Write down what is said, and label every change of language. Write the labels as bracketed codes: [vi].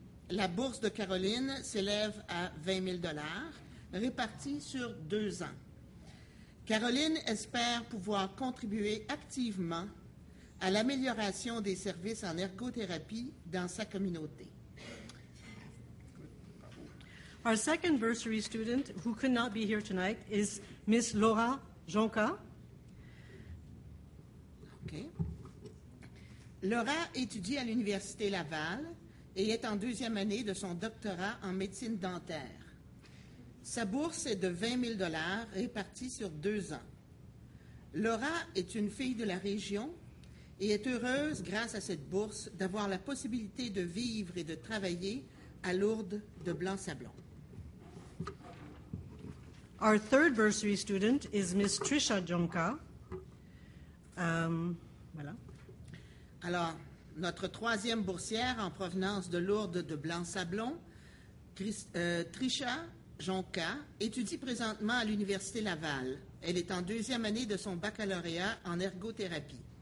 [fr] La bourse de Caroline s'élève à 20 000 $ répartie sur 2 ans. Caroline espère pouvoir contribuer activement à l'amélioration des services en ergothérapie dans sa communauté. [en] Our second bursary student who could not be here tonight is Miss Laura Jonca. Okay. [fr] Laura étudie à l'Université Laval et est en deuxième année de son doctorat en médecine dentaire. Sa bourse est de 20 000 $ répartie sur 2 ans. Laura est une fille de la région et est heureuse, grâce à cette bourse, d'avoir la possibilité de vivre et de travailler à Lourdes de Blanc-Sablon. [en] Our third bursary student is Miss Trisha Jonca. [fr] Voilà. Alors, notre troisième boursière en provenance de Lourdes de Blanc-Sablon, Trisha Jonca étudie présentement à l'Université Laval. Elle est en deuxième année de son baccalauréat en ergothérapie.